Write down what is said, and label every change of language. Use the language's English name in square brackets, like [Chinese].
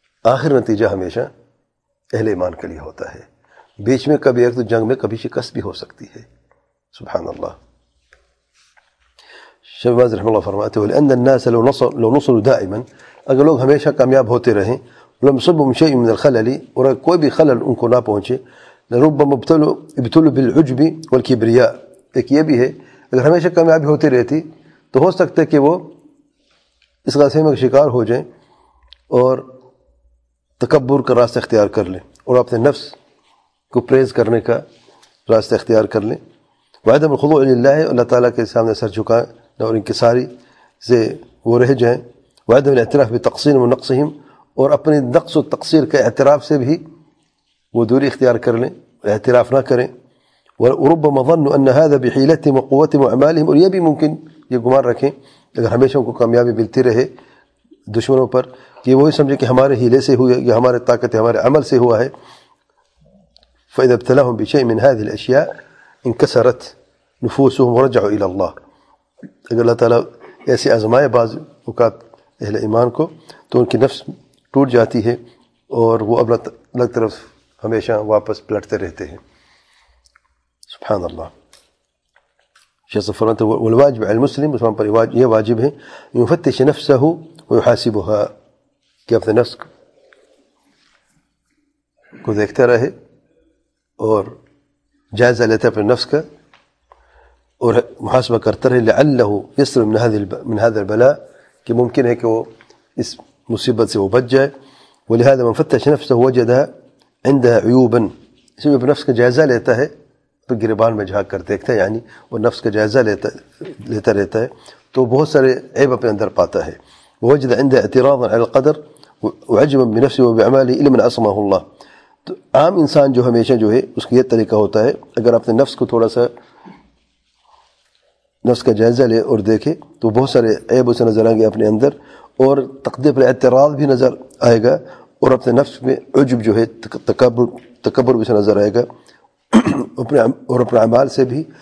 [Urdu] آخر نتیجہ ہمیشہ اہل ایمان کے لیے ہوتا ہے, بیچ میں کبھی ایک تو جنگ میں کبھی شکست بھی ہو سکتی ہے, سبحان اللہ. شیخ باز رحمہ اللہ فرماتے ہیں [Arabic] وَلِأَنَّ النَّاسَ لَوْ نُصِرُوا دَائِمًا, [Urdu] اگر لوگ ہمیشہ کامیاب ہوتے رہیں, [Arabic] لَمْ يُصِبْهُمْ شَيْءٌ مِنَ الْخَلَلِ, [Urdu] اور کوئی بھی خلل ان کو نہ پہنچے, [Arabic] لربما ابتلوا بالعجب والكبرياء. [Urdu] ایک یہ بھی ہے، اگر ہمیشہ کامیابی ہوتی رہتی تو ہو سکتا ہے کہ وہ اس غصے میں شکار ہو جائیں اور تکبر کا راستہ اختیار کر لیں اور اپنے نفس کو پریز کرنے کا راستہ اختیار کر لیں. [Arabic] وعدم الخضوع للہ، [Urdu] اللہ تعالیٰ کے سامنے سر جھکائیں اور انکساری سے وہ رہ جائیں. [Arabic] وعدم الاعتراف بتقصیر و نقصہم، [Urdu] اور اپنے نقص و تقصیر کے اعتراف سے بھی وہ دوری اختیار کر لیں، اعتراف نہ کریں. [Arabic] وربما ظنوا ان هذا بحیلتهم وقوتهم واعمالهم، [Urdu] اور یہ بھی ممکن یہ گمان رکھیں اگر ہمیشہ ان کو کامیابی ملتی رہے دشمنوں پر، کہ وہ سمجھے کہ ہمارے حیلے سے ہوئے یا ہمارے طاقت ہمارے عمل سے ہوا ہے. [Arabic] فاذا ابتلاهم بشيء من هذه الاشياء انكسرت نفوسهم ورجعوا الى الله. [Urdu] اگر اللہ تعالیٰ ایسی آزمائے بعض اوقات اہل ایمان کو تو ان کی نفس ٹوٹ جاتی ہے اور وہ الگ طرف ہمیشہ واپس پلٹتے رہتے ہیں. سبحان اللہ. شیخ صفر [Arabic] والواجب على المسلم، [Urdu] مسلم پر یہ واجب ہے، [Arabic] يفتش نفسه ويحاسبها، [Urdu] کہ اپنے نفس کو دیکھتا رہے اور جائزہ لیتا اپنے نفس کا اور محاسبہ کرتا رہے. [Arabic] لعله يسلم من هذا البلاء، [Urdu] کہ ممکن ہے کہ وہ اس مصیبت سے وہ بچ جائے. [Arabic] ولهذا من فتش نفسه وجدها عندها عيوبا، [Urdu] اس میں نفس کا جائزہ لیتا ہے، تو گربان میں جھانک کر دیکھتا ہے، یعنی وہ نفس کا جائزہ لیتا رہتا ہے تو بہت سارے عیب اپنے اندر پاتا ہے. [Arabic] وجد عند اعتراض على القدر وعجبا بنفسه وبعماله الا من عصمه الله. [Urdu] تو عام انسان جو ہمیشہ جو ہے اس کا یہ طریقہ ہوتا ہے، اگر اپنے نفس کو تھوڑا سا نفس کا جائزہ لے اور دیکھے تو بہت سارے عیب اسے نظر آئیں گے اپنے اندر، اور تقدیر پر اعتراض بھی نظر آئے گا، اور اپنے نفس میں عجب جو ہے تکبر بھی اسے نظر آئے گا، اور اپنے اعمال سے بھی.